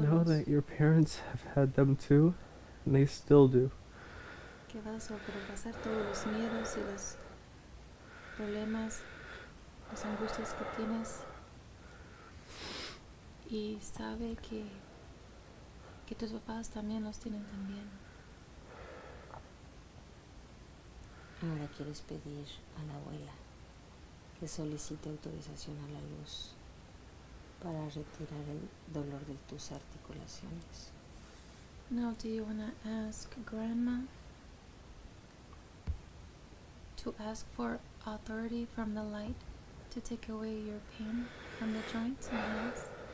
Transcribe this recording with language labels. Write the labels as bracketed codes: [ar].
[en] Know that your parents have had them too, and they still do. [es] Que vas a sobrepasar todos los miedos y los problemas, las angustias que tienes, y sabe que tus papás también los tienen también. Ahora quieres pedir a la abuela que solicite autorización a la luz para retirar el dolor de tus articulaciones. [en] Now, do you want to ask Grandma to ask for authority from the light to take away your pain from the joints and hands?